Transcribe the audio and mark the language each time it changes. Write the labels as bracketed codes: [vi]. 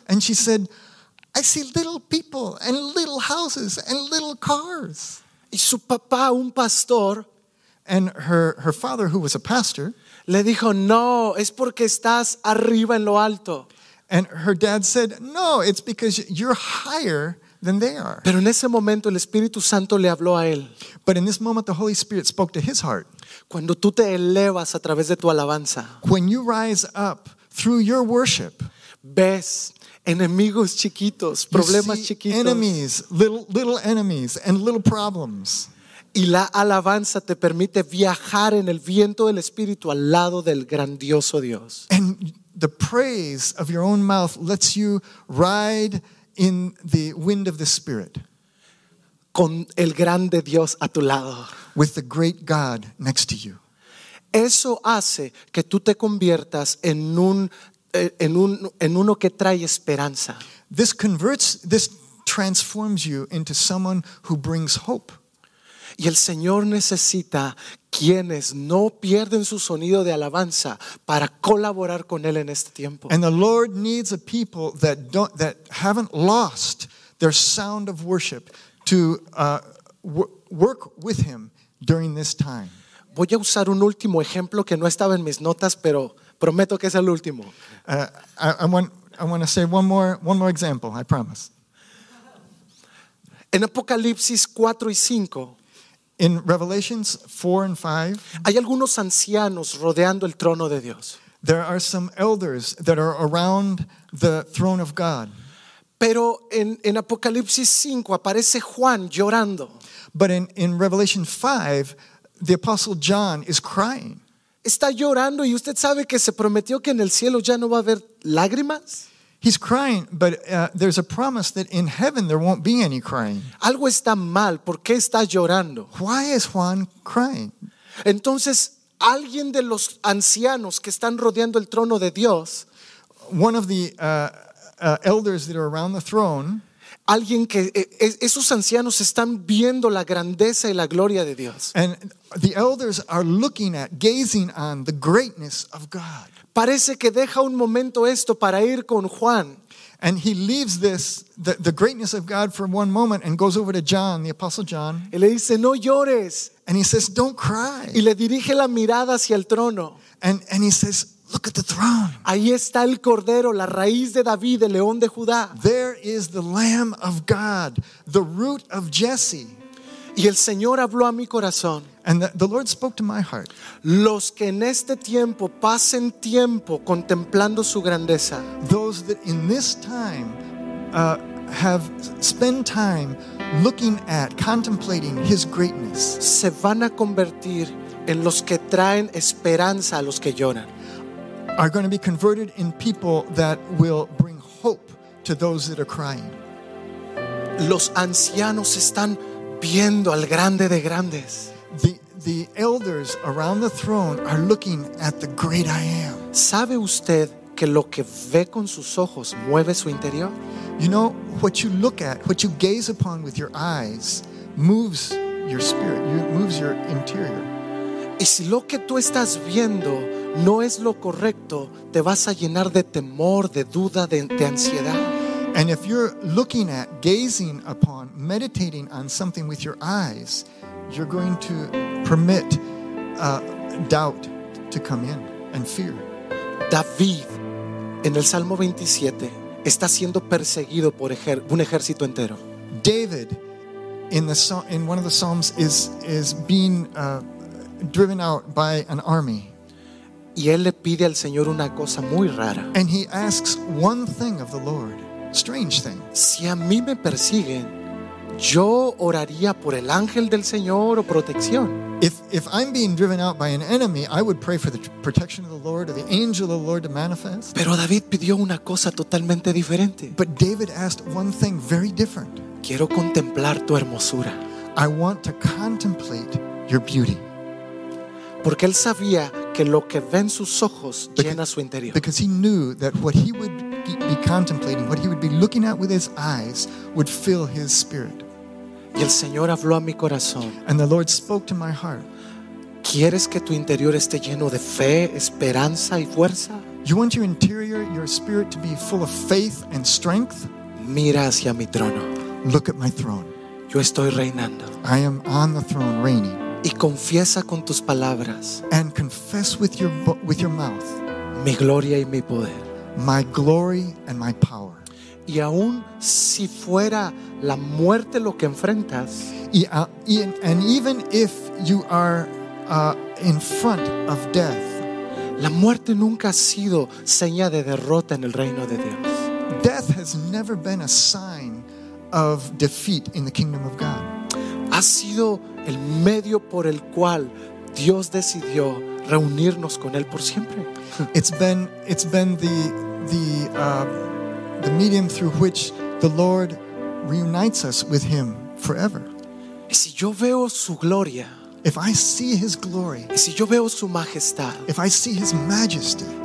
[en] And she said, I see little people and little houses and little cars. [es] Y su papá, un pastor, [en] and her father, who was a pastor, [es] le dijo, no, es porque estás arriba en lo alto. [en] And her dad said, no, it's because you're higher than they are. [es] Pero en ese momento el Espíritu Santo le habló a él. [en] But in this moment the Holy Spirit spoke to his heart. [es] Cuando tú te elevas a través de tu alabanza, [en] when you rise up through your worship, [es] ves enemigos chiquitos, problemas [en] you see [es] chiquitos. [en] Enemies, little enemies and little problems. [es] Y la alabanza te permite viajar en el viento del Espíritu al lado del grandioso Dios. [en] And the praise of your own mouth lets you ride in the wind of the Spirit. [es] Con el grande Dios a tu lado. [en] With the great God next to you. [es] Eso hace que tú te conviertas en uno que trae esperanza. [en] This transforms you into someone who brings hope. [es] Y el Señor necesita quienes no pierden su sonido de alabanza para colaborar con él en este tiempo. [en] And the Lord needs a people that haven't lost their sound of worship to work with him during this time. [es] Voy a usar un último ejemplo que no estaba en mis notas, pero prometo que es el último. [en] I want to say one more example, I promise. [es] En Apocalipsis 4 y 5. [en] In Revelations 4 and 5. [es] Hay algunos ancianos rodeando el trono de Dios. [en] There are some elders that are around the throne of God. [es] Pero en Apocalipsis 5 aparece Juan llorando. [en] But in Revelation 5, the apostle John is crying. [es] Está llorando y usted sabe que se prometió que en el cielo ya no va a haber lágrimas. [en] He's crying, but there's a promise that in heaven there won't be any crying. [es] Algo está mal. ¿Por qué está llorando? [en] Why is Juan crying? [es] Entonces, alguien de los ancianos que están rodeando el trono de Dios. [en] One of the elders that are around the throne. [es] Alguien que esos ancianos están viendo la grandeza y la gloria de Dios. [en] And the elders are looking at, gazing on the greatness of God. [es] Parece que deja un momento esto para ir con Juan. [en] And he leaves this, the greatness of God for one moment and goes over to John, the apostle John. [es] Y le dice, no llores. [en] And he says, don't cry. [es] Y le dirige la mirada hacia el trono. [en] And he says, Look at the throne. [es] Ahí está el cordero, la raíz de David, el león de Judá. [en] There is the Lamb of God, the root of Jesse. [es] Y el Señor habló a mi corazón. [en] And the Lord spoke to my heart. [es] Los que en este tiempo pasen tiempo contemplando su grandeza. [en] Those that in this time have spent time looking at, contemplating his greatness. [es] Se van a convertir en los que traen esperanza a los que lloran. [en] Are going to be converted in people that will bring hope to those that are crying. [es] Los ancianos están viendo al grande de grandes. [en] The elders around the throne are looking at the great I am. [es] ¿Sabe usted que lo que ve con sus ojos mueve su interior? [en] You know, what you look at, what you gaze upon with your eyes moves your spirit, moves your interior. [es] Y si lo que tú estás viendo no es lo correcto, te vas a llenar de temor, de duda, de ansiedad. [en] And if you're looking at, gazing upon, meditating on something with your eyes, you're going to permit doubt to come in and fear. [es] David, en el Salmo 27, está siendo perseguido por un ejército entero. [en] David, in one of the Psalms, is being driven out by an army. [es] Y él le pide al Señor una cosa muy rara. [en] And he asks one thing of the Lord. Strange thing. [es] Si a mí me persiguen, yo oraría por el ángel del Señor o protección. [en] If I'm being driven out by an enemy, I would pray for the protection of the Lord or the angel of the Lord to manifest. [es] Pero David pidió una cosa totalmente diferente. [en] But David asked one thing very different. [es] Quiero contemplar tu hermosura. [en] I want to contemplate your beauty. [es] Porque él sabía que lo que ve en sus ojos llena su interior. [en] Because he knew that what he would be contemplating, what he would be looking at with his eyes, would fill his spirit. [es] Y el Señor habló a mi corazón. [en] And the Lord spoke to my heart. [es] ¿Quieres que tu interior esté lleno de fe, esperanza y fuerza? [en] You want your interior, your spirit to be full of faith and strength? [es] Mira hacia mi trono. [en] Look at my throne. [es] Yo estoy reinando. [en] I am on the throne reigning. [es] Y confiesa con tus palabras. [en] And confess with your mouth. [es] Mi gloria y mi poder. [en] My glory and my power. [es] Y aun si fuera la muerte lo que enfrentas. [en] And even if you are in front of death. [es] La muerte nunca ha sido señal de derrota en el reino de Dios. [en] Death has never been a sign of defeat in the kingdom of God. [es] Ha sido el medio por el cual Dios decidió reunirnos con él por siempre. [en] It's been the medium through which the Lord reunites us with him forever. [es] Y si yo veo su gloria, [en] if I see his glory, [es] y si yo veo su majestad, [en] if I see his majesty,